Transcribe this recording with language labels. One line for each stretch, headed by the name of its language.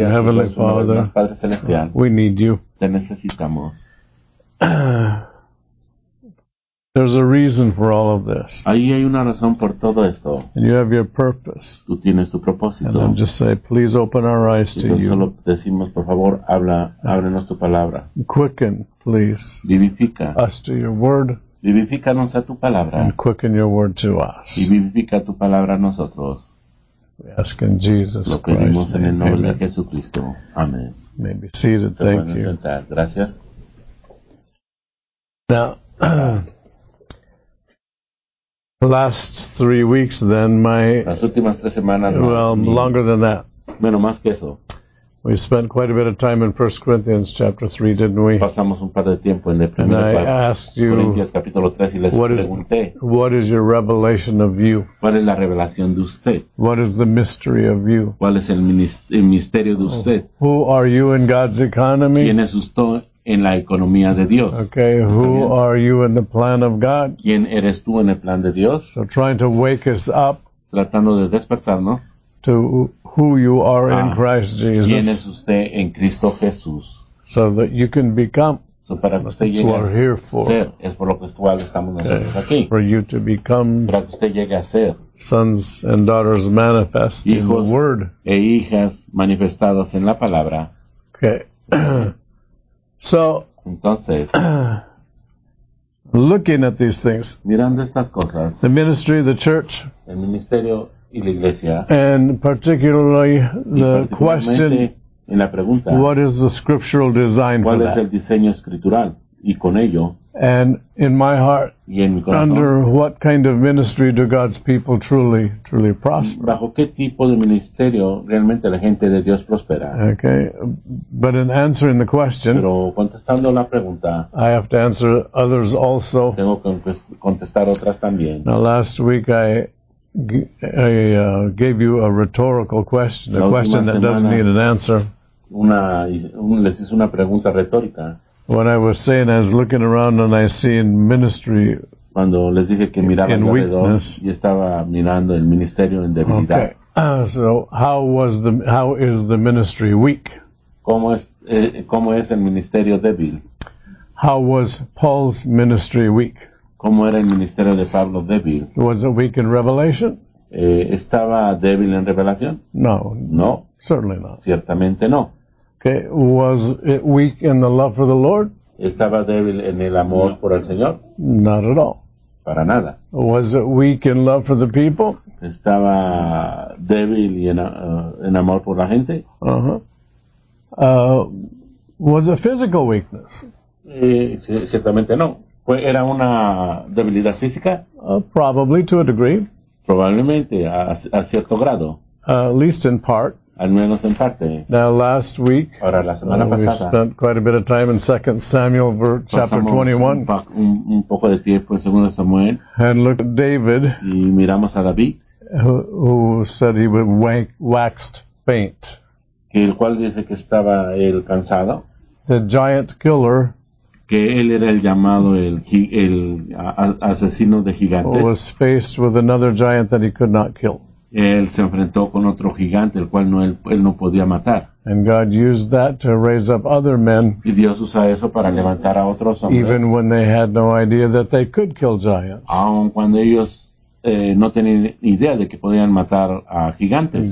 English: Heavenly Father, we need you.
Spanish: Te necesitamos.
English: There's a reason for all of this.
Spanish: Ahí hay una razón por todo esto.
English: And you have your purpose.
Spanish: Tú tienes tu propósito.
English: And I'm just saying, please open our eyes to you.
Spanish: Solo decimos, por favor, habla, ábrenos tu palabra.
English: Quicken, please.
Spanish: Vivifica.
English: Us to your word.
Spanish: Vivifícanos a tu palabra.
English: And quicken your word to us.
Spanish: Y vivifica tu palabra a nosotros.
English: We ask in Jesus Christ.
Spanish: En el nombre de Jesucristo. Amen.
English: May be seated. Thank you.
Spanish: Sentar. Gracias.
English: Now, last 3 weeks, then my
Spanish: las últimas tres semanas,
English: well, longer than that.
Spanish: Bueno, más que eso.
English: We spent quite a bit of time in 1 Corinthians chapter 3, didn't we?
Spanish: Pasamos un par de tiempo en el primer
English: and I asked you, what is your revelation of you?
Spanish: ¿Cuál es la revelación de usted?
English: What is the mystery of you?
Spanish: ¿Cuál es el misterio de usted?
English: Who are you in God's economy?
Spanish: ¿Quién es usted en la economía de Dios?
English: Okay, who are you in the plan of God?
Spanish: ¿Quién eres tú en el plan de Dios?
English: So trying to wake us up.
Spanish: Tratando de despertarnos.
English: To who you are in Christ Jesus.
Spanish: ¿Quién es usted en Cristo Jesús?
English: So that you can become.
Spanish: So para que usted llegue a ser. Es por lo que estamos nosotros aquí.
English: For you to become.
Spanish: Para que usted llegue a ser.
English: Sons and daughters manifest in the Word.
Spanish: Hijos e hijas manifestadas en la palabra.
English: Okay. So.
Spanish: Entonces.
English: Looking at these things.
Spanish: Mirando estas cosas.
English: The ministry of the church.
Spanish: El ministerio. Y la iglesia,
English: and particularly the question,
Spanish: en la pregunta,
English: what is the scriptural design
Spanish: cuál
English: for
Spanish: es
English: that?
Spanish: El diseño escritural, y con ello,
English: and in my heart,
Spanish: y en mi corazón,
English: under what kind of ministry do God's people truly, truly prosper?
Spanish: ¿Bajo qué tipo de ministerio realmente la gente de Dios prospera?
English: Okay, but in answering the question,
Spanish: pero contestando la pregunta,
English: I have to answer others also.
Spanish: Tengo que contestar otras también.
English: Now, last week I gave you a rhetorical question, a question that doesn't need an answer.
Spanish: Les hice una pregunta retórica.
English: When I was saying, I was looking around and I seen ministry
Spanish: cuando les dije que miraba
English: in weakness.
Spanish: Y estaba mirando el ministerio en debilidad.
English: Okay. So how is the ministry weak?
Spanish: ¿Cómo es el ministerio débil?
English: How was Paul's ministry weak?
Spanish: ¿Cómo era el ministerio de Pablo débil?
English: Was it weak in revelation?
Spanish: ¿Estaba débil en revelación?
English: No.
Spanish: No.
English: Certainly not.
Spanish: Ciertamente no.
English: Okay. Was it weak in the love for the Lord?
Spanish: ¿Estaba débil en el amor por el Señor?
English: Not at all.
Spanish: Para nada.
English: Was it weak in love for the people?
Spanish: ¿Estaba débil y en amor por la gente?
English: Uh-huh. Was it physical weakness?
Spanish: Ciertamente no. ¿Era una debilidad física?
English: Probably to a degree.
Spanish: Probablemente, a cierto grado.
English: At least in part.
Spanish: Al menos en parte.
English: Now last week,
Spanish: ahora, la semana pasada,
English: we spent quite a bit of time in 2 Samuel chapter 21.
Spanish: Un poco de tiempo en 2 Samuel.
English: And looked at David.
Spanish: Y miramos a David.
English: Who said he was waxed faint.
Spanish: El cual dice que estaba él cansado.
English: The giant killer.
Spanish: Que él era el llamado el asesino de gigantes.
English: Was faced with another giant that he could not kill.
Spanish: Él se enfrentó con otro gigante el cual él no podía matar.
English: And God used that to raise up other men.
Spanish: Y Dios usa eso para levantar a otros hombres.
English: Even when they had no idea that they could kill giants.
Spanish: Aun cuando ellos no tenían idea de que podían matar a gigantes.